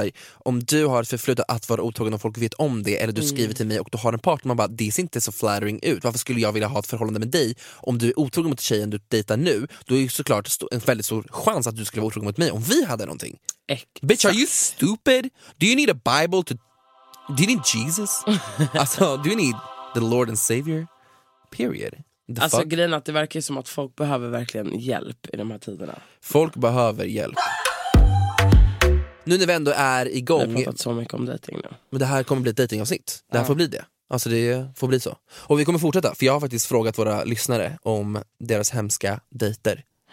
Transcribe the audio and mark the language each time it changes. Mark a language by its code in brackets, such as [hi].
[sv] Här, om du har ett förflutet att vara otrogen och folk vet om det, eller du skriver till mig och du har en partner, man bara, det ser inte så flattering ut. Varför skulle jag vilja ha ett förhållande med dig om du är otrogen mot tjejen du dejtar nu? Då är ju såklart en väldigt stor chans att du skulle vara otrogen mot mig om vi hade någonting. Exakt. [en] Bitch, are you stupid? Do you need a Bible to... Do you need Jesus? Alltså, do you need the Lord and Savior? Period. The alltså fuck? [sv] Grejen att det verkar som att folk behöver verkligen hjälp i de här tiderna. Folk behöver hjälp. Nu när vi ändå är igång. Jag har pratat så mycket om dating nu. Men det här kommer bli ett datingavsnitt. Det här får bli det. Alltså det får bli så. Och vi kommer fortsätta. För jag har faktiskt frågat våra lyssnare om deras hemska dejter.